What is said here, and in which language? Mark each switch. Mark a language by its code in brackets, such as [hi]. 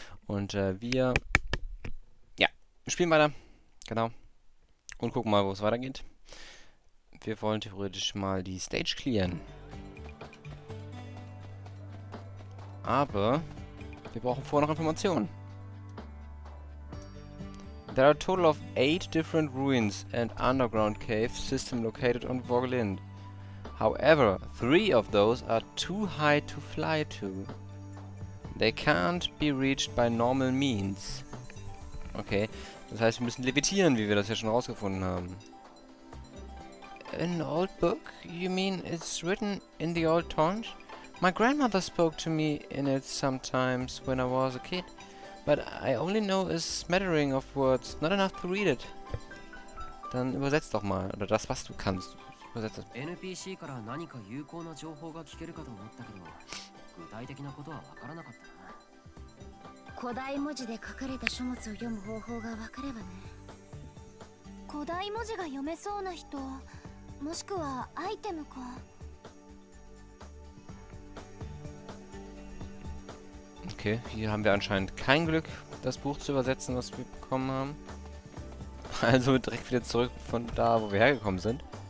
[de] Und wir, ja, spielen weiter, genau, und gucken mal, wo es weitergeht. Wir wollen theoretisch mal die Stage clearen. Aber wir brauchen vorher noch Informationen. [en] There are a total of 8 different ruins and underground cave system located on Voglind. However, 3 of those are too high to fly to. They can't be reached by normal means. [de] Okay, das heißt, wir müssen levitieren, wie wir das ja schon rausgefunden haben. [en] An old book? You mean it's written in the old tongue? My grandmother spoke to me in it sometimes when I was a kid. But I only know a smattering of words, not enough to read it. [de] Dann übersetz doch mal, oder das, was du kannst. Übersetz das. [ja] NPC から何か有効な情報が聞けるかと思ったけど、具体的なことは分からなかったな。古代文字で書かれた書物を読む方法が分かればね。古代文字が読めそうな人、もしくはアイテムか。 [de] Okay, hier haben wir anscheinend kein Glück, das Buch zu übersetzen, was wir bekommen haben. Also direkt wieder zurück von da, wo wir hergekommen sind.